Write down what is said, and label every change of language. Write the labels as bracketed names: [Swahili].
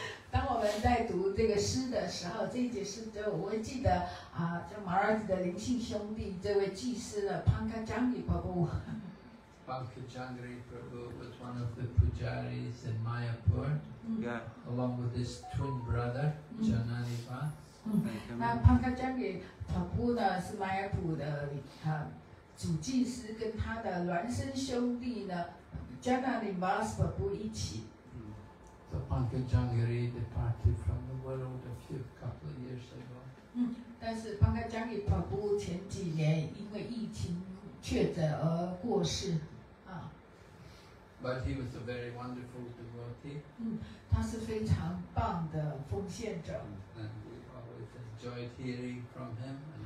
[Chinese] 当我们在读这个诗的时候，这一节诗的，我会记得啊，就马拉吉的灵性兄弟，这位祭司的 Pankajangari Prabhu. [English] Pankajangari Prabhu was one of the pujaris in Mayapur, yeah. along with his twin brother Janani Bas. [Chinese] 那 Pankajangari Prabhu 呢是 Mayapur 的主祭司跟他的孪生兄弟呢 Janani Bas Prabhu 一起。 [English] So Pankajangari departed from the world a few couple of years ago. [Chinese] 但是 Pankajangari Prabhu 前几年因为疫情确诊而过世。 [English] But he was a very wonderful devotee. [Chinese] 他是非常棒的奉献者。 [English] And we always enjoyed hearing from him.